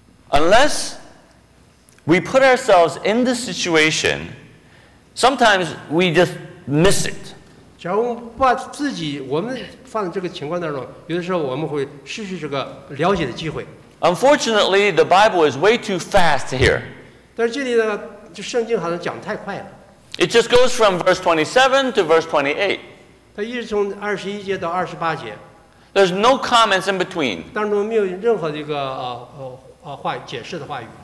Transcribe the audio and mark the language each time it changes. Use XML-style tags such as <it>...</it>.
<en>”Unless we put ourselves in this situation, sometimes we just miss it.</en> <zh>假如把自己我们放在这个情况当中，有的时候我们会失去这个了解的机会。</zh> <en>Unfortunately, the Bible is way too fast here.</en> <zh>但是这里呢，就圣经好像讲太快了。</zh> <en>It just goes from verse 27 to verse 28.</en> <zh>它一直从21节到28节。</zh> <en>There's no comments in between.</en> <zh>当中没有任何的一个话解释的话语。</zh>